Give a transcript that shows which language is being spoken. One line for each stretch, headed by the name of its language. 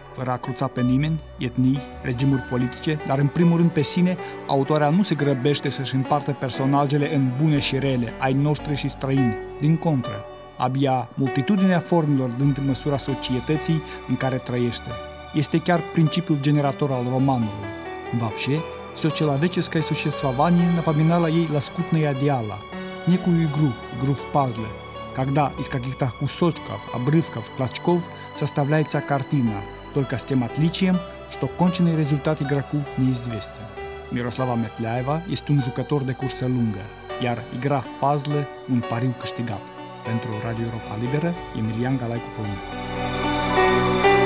Romanian: Fără a cruța pe nimeni, etnii, regimuri politice, dar în primul rând pe sine, autoarea nu se grăbește să-și împartă personajele în bune și rele, ai noștri și străini. Din contră, abia multitudinea formelor dând măsura societății în care trăiește. Este chiar principiul generator al romanului.
Russian: Vapșe, socialaveческое существование напоминало ей лоскутная диала, некую игру, игру в пазле, когда из каких-то кусочков, обрывков, клочков составляется картина, только с тем отличием, что конченный результат игроку неизвестен.
Romanian: Мирослава Метляева
Russian: есть
Romanian: un jucător de cursă lungă, iar
Russian: игра в пазле
Romanian: – un pariu câștigat. Pentru Radio Europa Liberă, Emilian Galaicu-Pomu.